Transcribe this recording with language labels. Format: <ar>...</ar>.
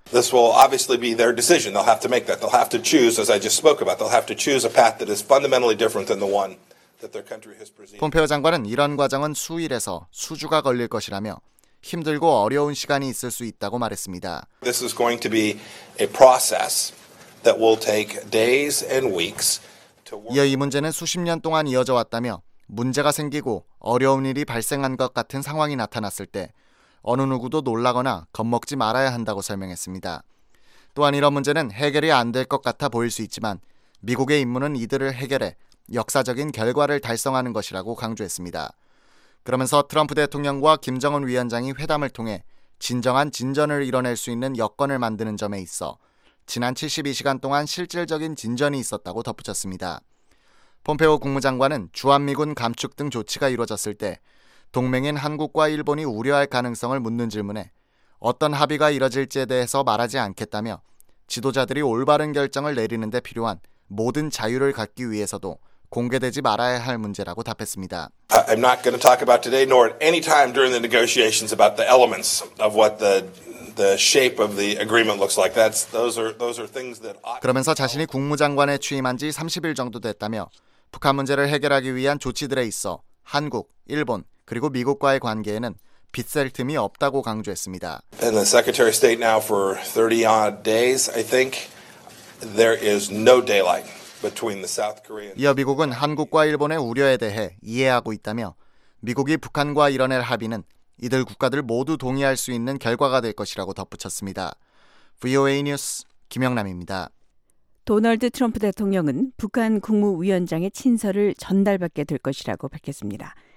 <en>This will obviously be their decision. They'll have to make that. They'll have to choose, as I just spoke about. They'll have to choose a path that is fundamentally different than the one that their country has presented.</en> <ko>폼페오 장관은 이런 과정은 수일에서 수주가 걸릴 것이라며 힘들고 어려운 시간이 있을 수 있다고 말했습니다.</ko> <en>This is going to be a process that will take days and weeks to work.</en> <ko>이어 이 문제는 수십 년 동안 이어져 왔다며 문제가 생기고 어려운 일이 발생한 것 같은 상황이 나타났을 때 어느 누구도 놀라거나 겁먹지 말아야 한다고 설명했습니다. 또한 이런 문제는 해결이 안 될 것 같아 보일 수 있지만 미국의 임무는 이들을 해결해 역사적인 결과를 달성하는 것이라고 강조했습니다. 그러면서 트럼프 대통령과 김정은 위원장이 회담을 통해 진정한 진전을 이뤄낼 수 있는 여건을 만드는 점에 있어 지난 72시간 동안 실질적인 진전이 있었다고 덧붙였습니다. 폼페오 국무장관은 주한미군 감축 등 조치가 이루어졌을 때 동맹인 한국과 일본이 우려할 가능성을 묻는 질문에 어떤 합의가 이뤄질지에 대해서 말하지 않겠다며 지도자들이 올바른 결정을 내리는 데 필요한 모든 자유를 갖기 위해서도 공개되지 말아야 할 문제라고 답했습니다.</ko> <en>I'm not going to talk about today nor at any time during the negotiations about the elements of what the shape of the agreement looks like. Those are things that</en> <ko>그러면서 자신이 국무장관에 취임한 지 30일 정도 됐다며 북한 문제를 해결하기 위한 조치들에 있어 한국, 일본, 그리고 미국과의 관계에는 빗셀 틈이 없다고 강조했습니다.</ko> <en>And the Secretary of State now for 30-odd days, I think, there is no daylight between the South Korean.</en> <ko>이어 미국은 한국과 일본의 우려에 대해 이해하고 있다며 미국이 북한과 이뤄낼 합의는 이들 국가들 모두 동의할 수 있는 결과가 될 것이라고 덧붙였습니다. VOA 뉴스 김영남입니다. 도널드 트럼프 대통령은 북한 국무위원장의 친서를 전달받게 될 것이라고 밝혔습니다.</ko>